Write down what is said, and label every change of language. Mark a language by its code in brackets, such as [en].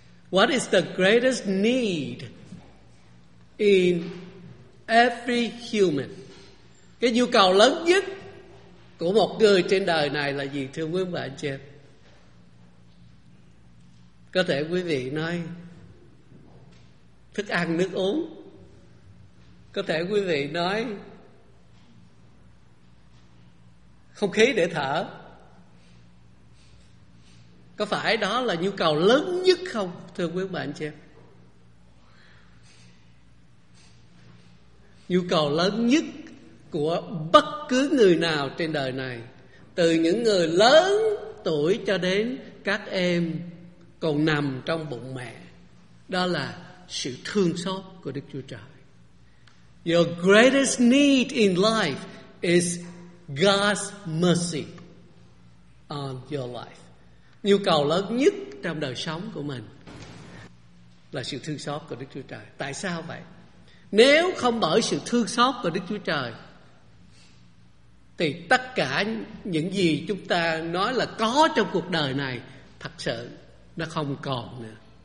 [en] What is the greatest need in every human? [vi] Cái nhu cầu lớn nhất của một người trên đời này là gì, thưa quý ông bà anh chị em? Có thể quý vị nói thức ăn, nước uống. Có thể quý vị nói không khí để thở. Có phải đó là nhu cầu lớn nhất không, thưa quý bạn chị em? Nhu cầu lớn nhất của bất cứ người nào trên đời này, từ những người lớn tuổi cho đến các em còn nằm trong bụng mẹ, đó là sự thương xót của Đức Chúa Trời. [en] Your greatest need in life is God's mercy on your life. [vi] Nhu cầu lớn nhất trong đời sống của mình là sự thương xót của Đức Chúa Trời. Tại sao vậy? Nếu không bởi sự thương xót của Đức Chúa Trời thì tất cả những gì chúng ta nói là có trong cuộc đời này thật sự nó không còn nữa.